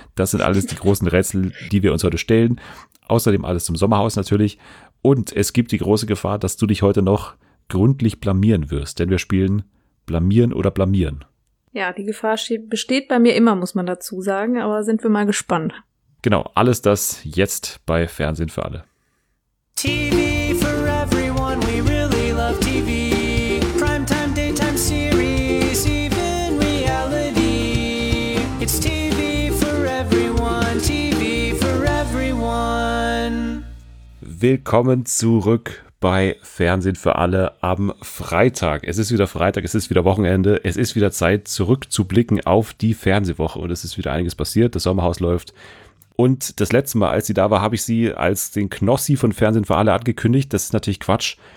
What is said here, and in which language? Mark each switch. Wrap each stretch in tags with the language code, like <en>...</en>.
<de>Das sind alles die großen Rätsel, die wir uns heute stellen. Außerdem alles zum Sommerhaus natürlich. Und es gibt die große Gefahr, dass du dich heute noch gründlich blamieren wirst. Denn wir spielen Blamieren oder Blamieren. Ja, die Gefahr besteht bei mir immer, muss man dazu sagen. Aber sind wir mal gespannt. Genau, alles das jetzt bei Fernsehen für alle.</de> <en>TV for everyone, we really love TV. Primetime, daytime series, even reality. It's TV for everyone, TV for everyone.</en> <de>Willkommen zurück bei Fernsehen für alle am Freitag. Es ist wieder Freitag, es ist wieder Wochenende, es ist wieder Zeit, zurückzublicken auf die Fernsehwoche. Und es ist wieder einiges passiert, das Sommerhaus läuft. Und das letzte Mal, als sie da war, habe ich sie als den Knossi von Fernsehen für alle angekündigt. Das ist natürlich Quatsch.</de>